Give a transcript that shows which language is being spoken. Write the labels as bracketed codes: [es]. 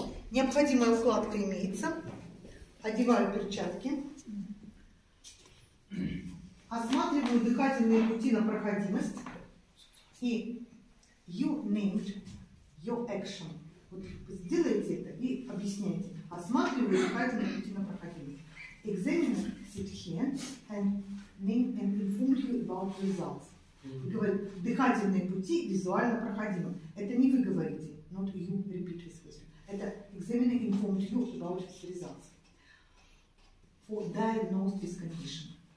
[ru] Необходимая укладка имеется. Одеваю перчатки. Осматриваю дыхательные пути на проходимость. [en] И you named your action. [ru] Вот сделайте это и объясняйте. Осматриваю дыхательные пути на проходимость. [en] Examiner sit here and name and inform you about results. [ru] Говорит, дыхательные пути визуально проходимы. Это не вы говорите. [en] Not you repeat this question. Это examiner informed you about his results. For diagnosed this condition.